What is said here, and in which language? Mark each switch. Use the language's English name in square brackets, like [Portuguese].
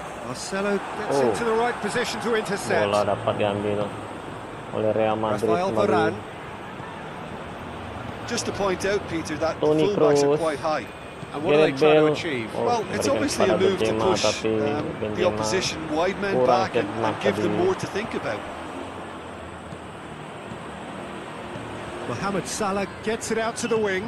[English] Marcelo gets into the right position to intercept. [Indonesian] Bola dapat diambil oleh Real Madrid kembali. [English] Just to point out, Peter, that the fullbacks are quite high. And what are they trying to achieve? Well, it's obviously a move to push the opposition wide men back and give them more to think about. Mohamed Salah gets it out to the wing.